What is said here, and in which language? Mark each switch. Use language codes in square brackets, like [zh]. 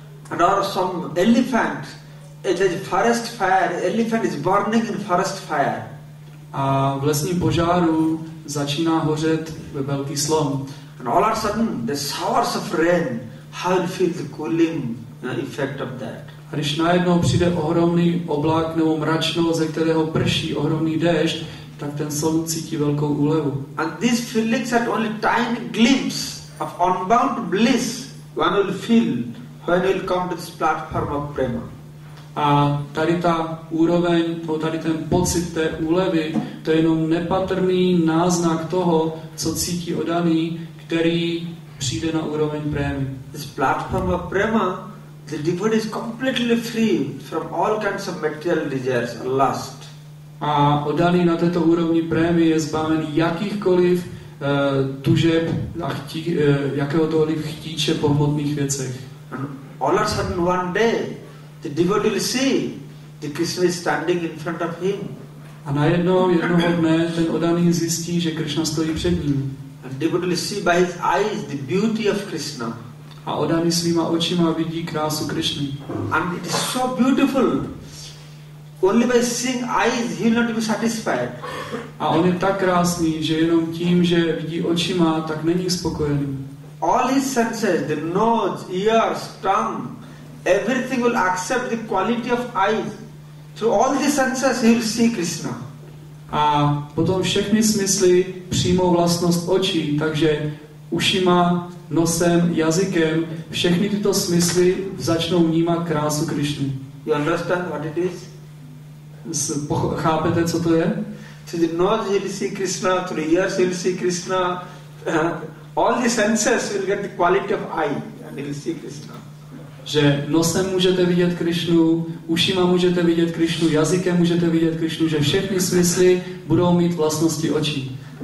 [en] And or some elephant, it is forest fire, elephant is burning in forest fire. [cs] A v lesním požáru začíná hořet velký slon. [en] And all of a sudden, the showers of rain, how you feel the cooling effect of that. [cs] A když najednou přijde ohromný oblak nebo mračno, ze kterého prší ohromný déšť, tak ten slon cítí velkou úlevu. [en] And these feelings are only tiny glimpse of unbound bliss one will feel when he'll come to this platform of prema. [cs] A tady ta úroveň, tady ten pocit té úlevy, to je jenom nepatrný náznak toho, co cítí odaný, který přijde na úroveň prémy. [en] This platform of prema, the devotee is completely free from all kinds of material desires and lust. [cs] A odaný na této úrovni prémy je zbaven jakýchkoliv tužeb a jakéhokoliv chtíče po hmotných věcech. [en] All of a sudden one day, the devotee will see the Krishna is standing in front of him. [cs] A najednou jednoho dne ten odaný zjistí, že Krishna stojí před ním. [en] And devotee will see by his eyes the beauty of Krishna. [cs] A odaný svýma očima vidí krásu Krishny. [en] And it is so beautiful. Only by seeing eyes he will not be satisfied. [cs] A on je tak krásný, že jenom tím, že vidí očima, tak není spokojený. [en] All his senses, the nose, ears, tongue, everything will accept the quality of eyes. Through all the senses he will see Krishna. [cs] A potom všechny smysly přijmou vlastnost očí, takže ušima, nosem, jazykem, všechny tyto smysly začnou vnímat krásu Krishny. [en] You understand what it is? [cs] Chápete, co to je? [en] Through the nose he will see Krishna, through the ears he will see Krishna. All the senses will get the quality of eye and he will see Krishna. [cs] Že nosem můžete vidět Krišnu, ušima můžete vidět Krišnu, jazykem můžete vidět Krišnu, že všechny smysly budou mít vlastnosti očí.